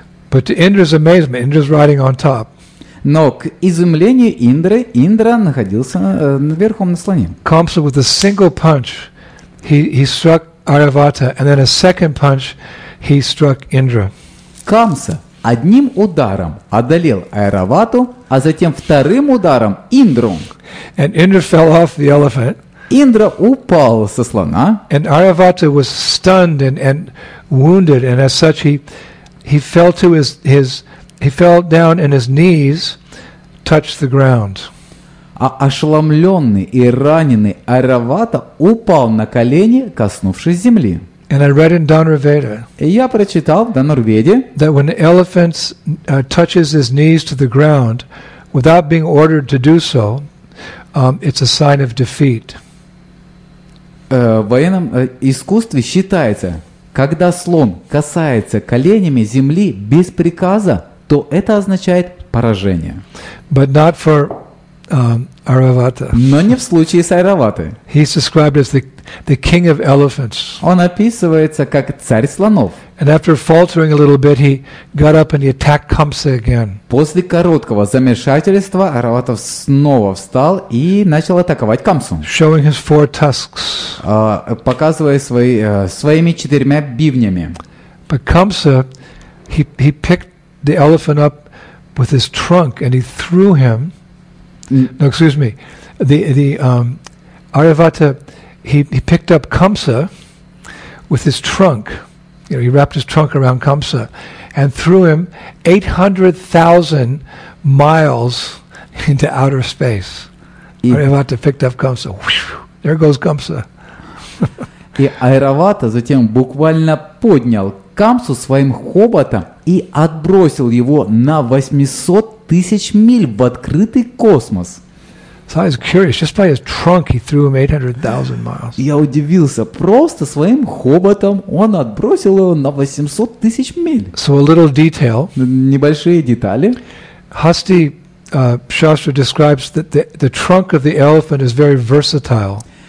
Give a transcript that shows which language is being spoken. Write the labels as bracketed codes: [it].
[en] But to Indra's amazement, Indra's riding on top. [ru] Но к изумлению Индры, Индра находился верхом на слоне. [en] Камса with a single punch, he struck Айравата, and then a second punch, he struck Indra. [ru] Камса одним ударом одолел Айравату, а затем вторым ударом Индру. [en] And Indra fell off the elephant. [ru] Индра упал со слона. [en] And Aravata was stunned and wounded, and as such he fell to he fell down and his knees touched the ground. [ru] А ошеломленный и раненый Аравата упал на колени, коснувшись земли. [en] And I read in Dhanurveda. [ru] И я прочитал в Дханурведе. [en] That when an elephant touches his knees to the ground, without being ordered to do so. It's a sign of defeat. [ru] В военном искусстве считается, когда слон касается коленями земли без приказа, то это означает поражение. [en] But not for Aravata. [ru] Но не в случае с Айраватой. [en] He's described as the king of elephants. [ru] Он описывается как царь слонов. [en] And after faltering a little bit, he got up and he attacked Kamsa again. [ru] После короткого замешательства Аравата снова встал и начал атаковать Камсу. [en] Showing his four tusks. [ru] Показывая своими четырьмя бивнями. [en] But Kamsa, he picked the elephant up with his trunk and he threw him. No, excuse me. The Aravata, he picked up Kamsa with his trunk. You know, he wrapped his trunk around Kamsa and threw him 800,000 miles into outer space. Aravata picked up Kamsa. There goes Kamsa. [ru] И Аравата затем буквально поднял Камсу своим хоботом и отбросил его на 800 тысяч миль в открытый космос. [en] So I was curious. Just by his trunk, he threw him 800,000 miles. [ru] Я удивился. Просто своим хоботом он отбросил его на 800 тысяч миль. [en] So a little detail. [ru] Небольшие детали. [en] Hasti Shastra describes that the trunk of the elephant is very versatile.